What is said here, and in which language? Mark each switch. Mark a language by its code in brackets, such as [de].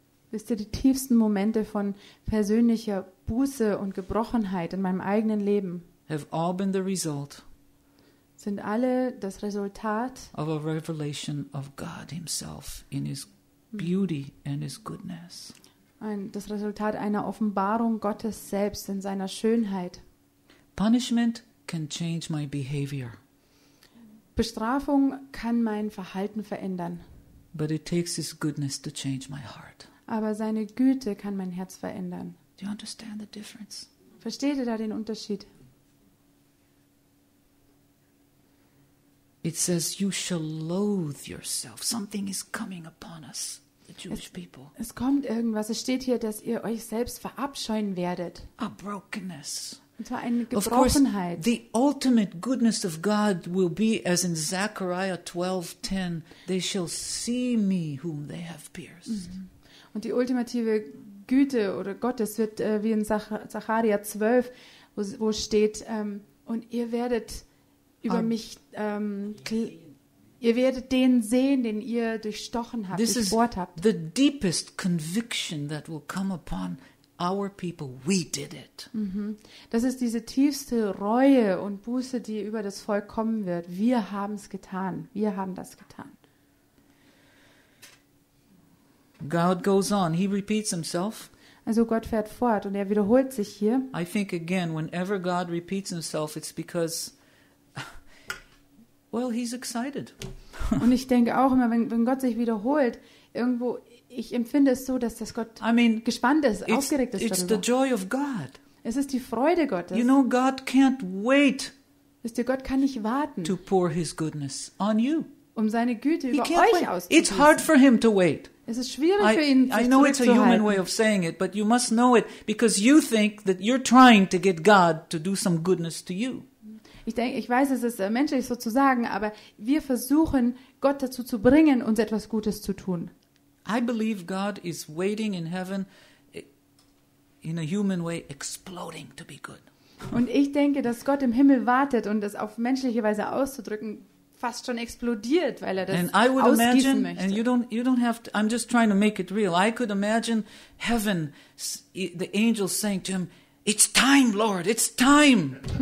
[de] Wisst ihr, die tiefsten Momente von persönlicher Buße und Gebrochenheit in meinem eigenen Leben [en] have all been the result [de] sind alle das Resultat [en] of a revelation of God himself in his beauty and his goodness. [de] Das Resultat einer Offenbarung Gottes selbst in seiner Schönheit. [en] Punishment can change my behavior. [de] Bestrafung kann mein Verhalten verändern. [en] But it takes his goodness to change my heart. [de] Aber seine Güte kann mein Herz verändern. [en] Do you understand the difference? [de] Versteht ihr da den Unterschied? [en] It says you shall loathe yourself. Something is coming upon us, the Jewish people. [de] Es kommt irgendwas. Es steht hier, dass ihr euch selbst verabscheuen werdet. [en] A brokenness. [de] Und zwar eine Gebrochenheit. [en] Of course, the ultimate goodness of God will be as in Zechariah 12:10. They shall see me whom they have pierced. [de] Und die ultimative Güte oder Gottes wird wie in Zechariah 12, wo steht, und ihr werdet über mich, ihr werdet den sehen, den ihr durchstochen habt, durchbohrt habt. [en] The deepest conviction that will come upon our people, we did it. Mm-hmm. [de] Das ist diese tiefste Reue und Buße, die über das Volk kommen wird. Wir haben es getan. Wir haben das getan. [en] God goes on. He repeats himself. [de] Also Gott fährt fort und er wiederholt sich hier. [en] I think again, whenever God repeats himself, it's because well, he's excited. [de] Und ich denke auch immer, wenn Gott sich wiederholt, irgendwo, ich empfinde es so, dass das Gott gespannt ist, aufgeregt ist darüber. [en] It's the joy of God. [de] Es ist die Freude Gottes. [en] You know, God can't wait. [de] Wisst ihr, Gott kann nicht warten. [en] To pour his goodness on you. [de] Um seine Güte über euch auszugießen. [en] It's hard for him to wait. [de] Es ist schwierig für ihn, sich zurückzuhalten. [en] I know it's a human way of saying it, but you must know it, because you think that you're trying to get God to do some goodness to you. [de] Ich weiß, es ist menschlich so zu sagen, aber wir versuchen, Gott dazu zu bringen, uns etwas Gutes zu tun. [en] I believe God is waiting in heaven in a human way, exploding to be good. [de] Und ich denke, dass Gott im Himmel wartet und das auf menschliche Weise auszudrücken, fast schon explodiert, weil er das ausgießen [en] imagine, [de] möchte. [en] And you don't have to, I'm just trying to make it real. I could imagine heaven, the angels saying to him, it's time, Lord, it's time.